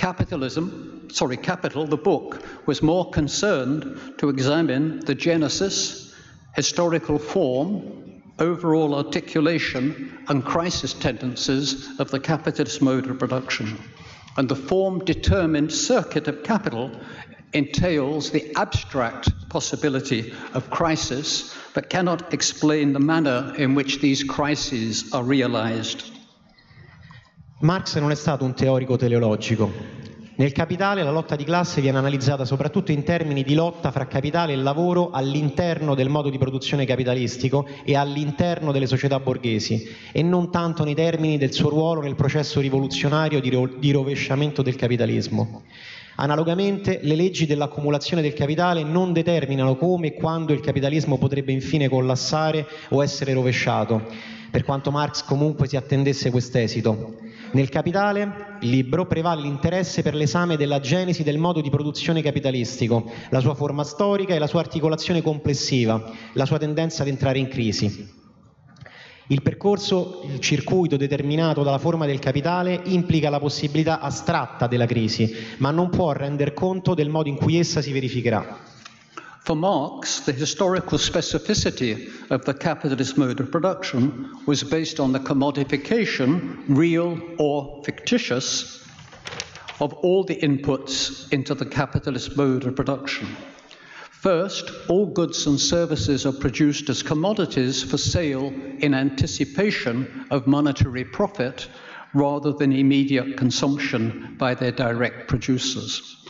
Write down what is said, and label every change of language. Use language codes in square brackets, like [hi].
[en] Capital, the book, was more concerned to examine the genesis, historical form, overall articulation, and crisis tendencies of the capitalist mode of production. And the form-determined circuit of capital entails the abstract possibility of crisis, but cannot explain the manner in which these crises are realized. [it] Marx non è stato un teorico teleologico. Nel Capitale la lotta di classe viene analizzata soprattutto in termini di lotta fra capitale e lavoro all'interno del modo di produzione capitalistico e all'interno delle società borghesi, e non tanto nei termini del suo ruolo nel processo rivoluzionario di rovesciamento del capitalismo. Analogamente, le leggi dell'accumulazione del capitale non determinano come e quando il capitalismo potrebbe infine collassare o essere rovesciato, per quanto Marx comunque si attendesse quest'esito. Nel Capitale, libro, prevale l'interesse per l'esame della genesi del modo di produzione capitalistico, la sua forma storica e la sua articolazione complessiva, la sua tendenza ad entrare in crisi. Il percorso, il circuito determinato dalla forma del capitale, implica la possibilità astratta della crisi, ma non può render conto del modo in cui essa si verificherà. [en] For Marx, the historical specificity of the capitalist mode of production was based on the commodification, real or fictitious, of all the inputs into the capitalist mode of production. First, all goods and services are produced as commodities for sale in anticipation of monetary profit rather than immediate consumption by their direct producers.